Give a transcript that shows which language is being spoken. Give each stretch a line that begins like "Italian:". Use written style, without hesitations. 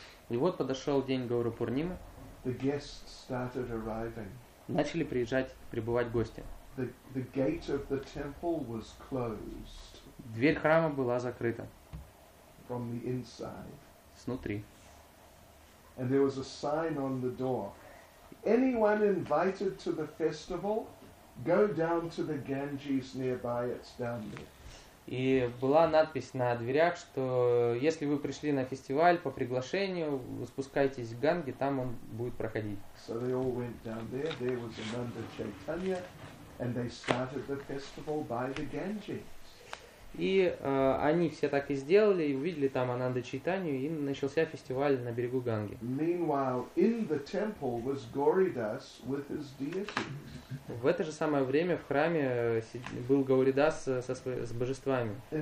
Russian: И вот подошел день Гаура-Пурнима.
English: The guests started arriving.
Russian: Начали прибывать гости.
English: The gate of the temple was closed.
Russian: Дверь храма была закрыта.
English: From the inside.
Russian: Снутри.
English: And there was a sign on the door. Anyone invited to the festival, go down to the Ganges nearby. It's down there.
Russian: И была надпись на дверях, что если вы пришли на фестиваль по приглашению, спускайтесь в Ганге, там он будет проходить.
English: So they all went down there. There was Ananda Chaitanya, and they started the festival by the Ganges.
Russian: И они все так и сделали, и увидели там Ананда Чайтанью, и начался фестиваль на берегу Ганги.
English: Meanwhile, in the temple was Gauridas with his deity.
Russian: В это же самое время в храме был Гауридас с божествами.